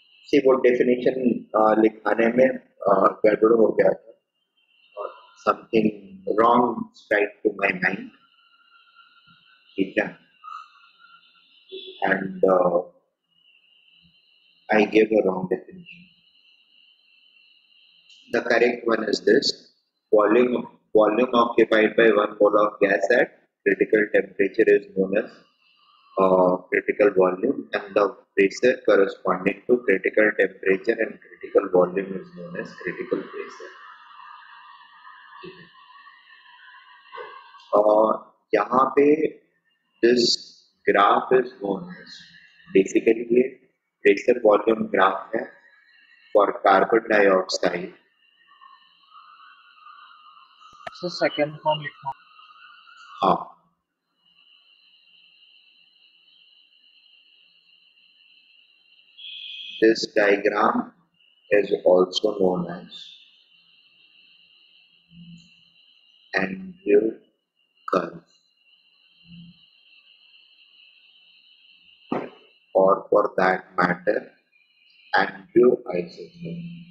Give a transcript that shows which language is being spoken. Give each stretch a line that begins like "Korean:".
Hindi: सी वो डेफिनेशन लिखाने में गड़बड़ हो गया था.
English: Something wrong strike to my mind. And I gave a wrong definition. The correct one is this. Volume occupied by one mole of gas at critical temperature is known as critical volume, and the pressure corresponding to critical temperature and critical volume is known as critical pressure.
Hindi: यहाँ पे
English: This graph is known as basically ये pressure volume graph है for carbon dioxide.
Hindi: Second form लिखा. हाँ
English: This diagram is also known as Andrew curve, or for that matter, Andrew isotherm.